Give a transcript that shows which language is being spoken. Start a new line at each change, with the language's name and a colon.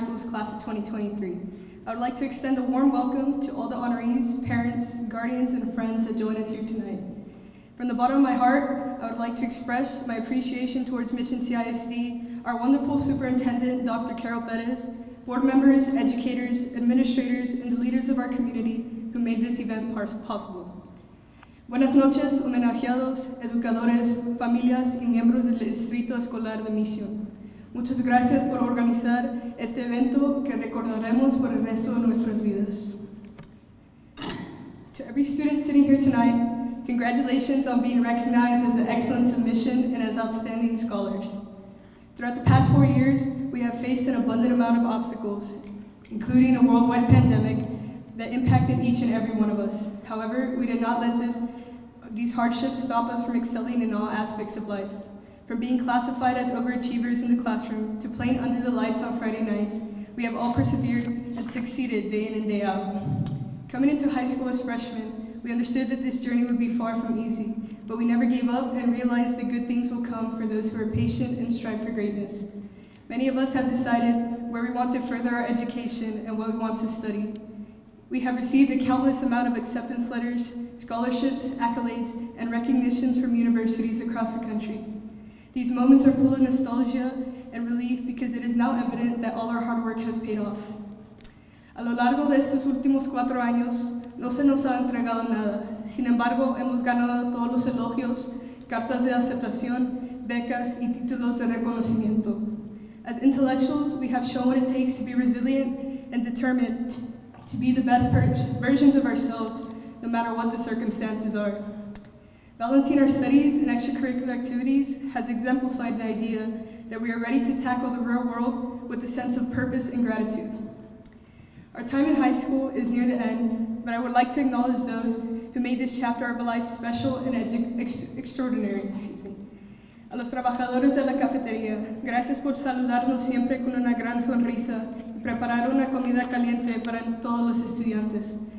English: Class of 2023. I would like to extend a warm welcome to all the honorees, parents, guardians, and friends that join us here tonight. From the bottom of my heart, I would like to express my appreciation towards Mission CISD, our wonderful superintendent, Dr. Carol Bettis, board members, educators, administrators, and the leaders of our community who made this event possible.
Spanish: Buenas noches, homenajeados, educadores, familias, y miembros del Distrito Escolar de Mission. Muchas gracias por organizar este evento que recordaremos por el resto de nuestras vidas.
English: To every student sitting here tonight, congratulations on being recognized as the excellence of Mission and as outstanding scholars. Throughout the past 4 years, we have faced an abundant amount of obstacles, including a worldwide pandemic that impacted each and every one of us. However, we did not let these hardships stop us from excelling in all aspects of life. From being classified as overachievers in the classroom to playing under the lights on Friday nights, we have all persevered and succeeded day in and day out. Coming into high school as freshmen, we understood that this journey would be far from easy, but we never gave up and realized that good things will come for those who are patient and strive for greatness. Many of us have decided where we want to further our education and what we want to study. We have received a countless amount of acceptance letters, scholarships, accolades, and recognitions from universities across the country. These moments are full of nostalgia and relief because it is now evident that all our hard work has paid off.
Spanish: A lo largo de estos últimos 4 años, no se nos ha entregado nada. Sin embargo, hemos ganado todos los elogios, cartas de aceptación, becas, y títulos de reconocimiento.
English: As intellectuals, we have shown what it takes to be resilient and determined to be the best versions of ourselves, no matter what the circumstances are. Balancing our studies and extracurricular activities has exemplified the idea that we are ready to tackle the real world with a sense of purpose and gratitude. Our time in high school is near the end, but I would like to acknowledge those who made this chapter of our life special and extraordinary.
Spanish: A los trabajadores de la cafetería, gracias por saludarnos siempre con una gran sonrisa y preparar una comida caliente para todos los estudiantes.